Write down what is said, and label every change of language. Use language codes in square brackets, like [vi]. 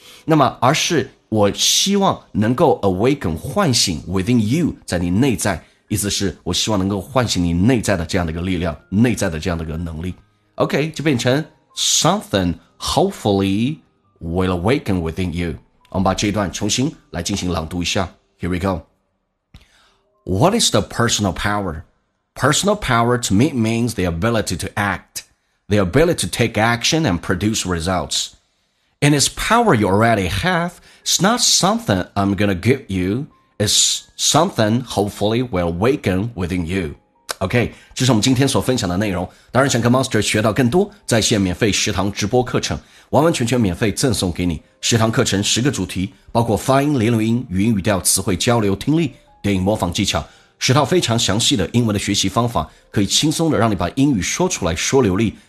[zh] 那么而是我希望能够 awaken 唤醒 within you 在你内在，意思是我希望能够唤醒你内在的这样的一个力量，内在的这样的一个能力。 [en] OK, [zh] 就变成 [en] something hopefully will awaken within you. [zh] 我们把这一段重新来进行朗读一下。 [en] Here we go. What is the personal power? Personal power to me means the ability to act, the ability to take action and produce results. And it's power you already have. It's not something I'm going to give you. It's something hopefully will awaken within you. [zh] OK, 这是我们今天所分享的内容。当然想跟 Monster 学到更多在线免费食堂直播课程，完完全全免费赠送给你。食堂课程十个主题，包括发音、连读音、语音语调、词汇交流、听力、电影模仿技巧，十套非常详细的英文的学习方法，可以轻松的让你把英语说出来说流利。